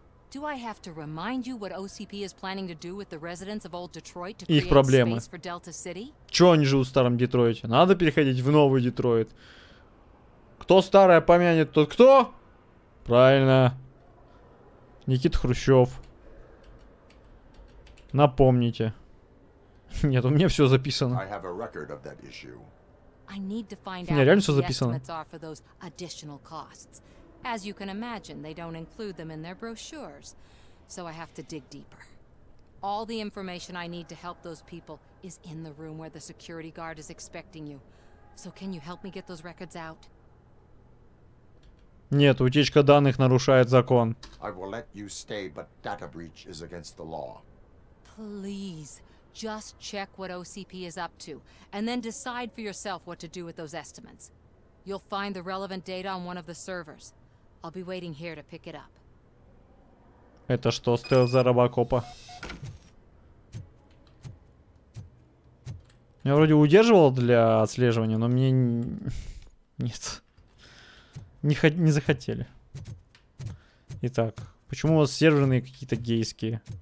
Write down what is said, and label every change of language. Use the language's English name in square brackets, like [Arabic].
[English] Do I have to remind you what OCP is planning to do with the residents of Old Detroit to create space for Delta City? [Russian] Чё они живут в старом Детройте? Надо переходить в новый Детройт. Кто старое помянет, тот кто? Правильно. Никита Хрущев. Напомните. Нет, у меня все записано. [English] I have a record of that issue. I need to find out. [Russian] У меня реально все записано. [English] Estimates are for those additional costs. As you can imagine, they don't include them in their brochures. So I have to dig deeper. All the information I need to help those people is in the room where the security guard is expecting you. So can you help me get those records out? [Russian] Нет, утечка данных нарушает закон. [English] I will let you stay, but data breach is against the law. Please, just check what OCP is up to, and then decide for yourself what to do with those estimates. You'll find the relevant data on one of the servers. I'll be waiting here to pick it up. [Russian] Это что, стелс за Робокопа? Я вроде удерживал для отслеживания, но мне... Нет. Не захотели. Итак, почему у вас серверные какие-то гейские?